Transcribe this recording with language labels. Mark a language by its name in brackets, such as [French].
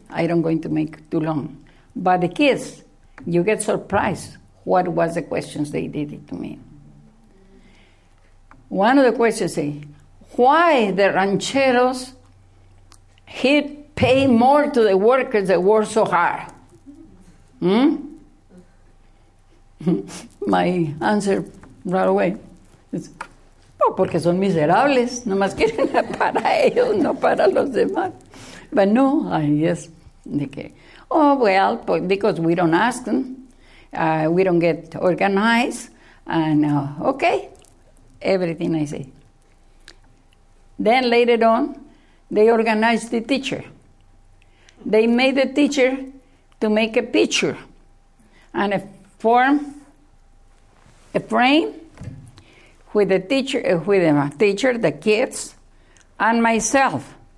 [English] I don't going to make too long. But the kids, you get surprised what was the questions they did to me. One of the questions is, why the rancheros hit pay more to the workers that work so hard? Hmm? My answer right away is, oh, [Spanish] porque son miserables, nomás quieren para ellos, no para los demás. [English] But no, yes. Oh, well, because we don't ask them, we don't get organized, and okay, everything I say. Then later on, they organized the teacher. They made the teacher to make a picture and a form, a frame, with the teacher, the kids, and myself.